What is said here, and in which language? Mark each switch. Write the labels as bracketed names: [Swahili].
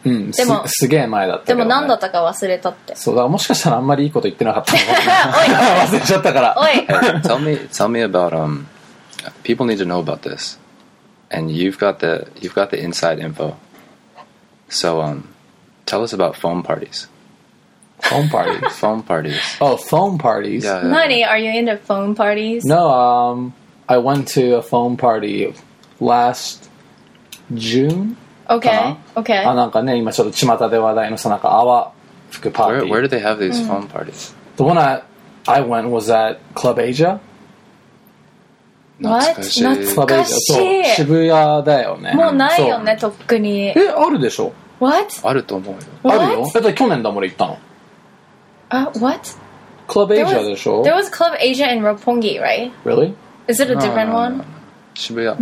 [Japanese] うん、でも すげえ前だったけど、でも何だったか忘れたって。そうだ、もしかしたらあんまりいいこと言ってなかった忘れちゃったから。おい、 [English] tell me about people need to know about this and you've got the inside info, so tell us about phone parties. Phone parties. Phone parties. Oh, phone parties. Honey, are you into phone parties? No, I went to a phone party last June. Okay. [Japanese] なんかね、今ちょっと巷で話題のさ、なんか泡吹くパーティー。 [English] Where do they have these phone parties? The one I went was at Club Asia. What? [Japanese] 懐かしい。渋谷だよね。もうないよね、とっくに。え、あるでしょ。 [English] What? [Japanese] あると思うよ。あるよ。だって去年だもん、行ったの。 [English] What? [Japanese] Club Asia でしょ。 [English] There was Club Asia in Roppongi, right? Really? Is it a different one? [Japanese] 渋谷。